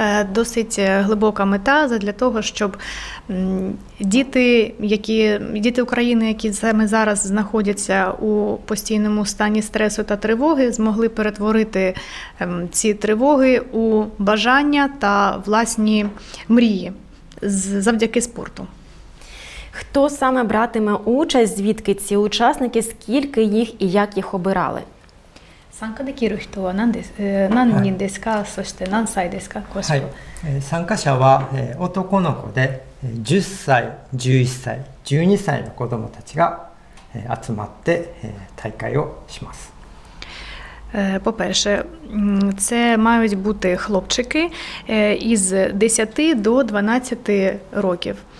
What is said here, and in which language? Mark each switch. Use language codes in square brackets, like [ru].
[uk] Досить глибока мета для того, щоб діти України, які саме зараз знаходяться у постійному стані стресу та тривоги, змогли перетворити ці тривоги у бажання та власні мрії завдяки спорту. Хто саме братиме участь, звідки ці учасники, скільки їх і як їх обирали? [ja] 参加できる人は 何人ですか、はい、そして何歳ですか、はい、参加者は男の子で10歳、11歳、12歳の子どもたちが集まって大会をします。 [uk] По-перше, це мають бути хлопчики із 10 до 12 років.